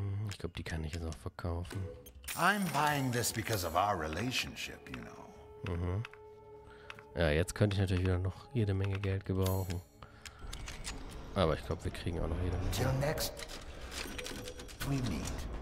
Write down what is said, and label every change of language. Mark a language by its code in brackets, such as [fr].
[de] Ich glaube, die kann ich jetzt auch verkaufen. [en] I'm buying this because of our relationship, you know. Mhm. [de] Ja, jetzt könnte ich natürlich wieder noch jede Menge Geld gebrauchen. Aber ich glaube, wir kriegen auch noch jede Menge. [en] Till next we meet.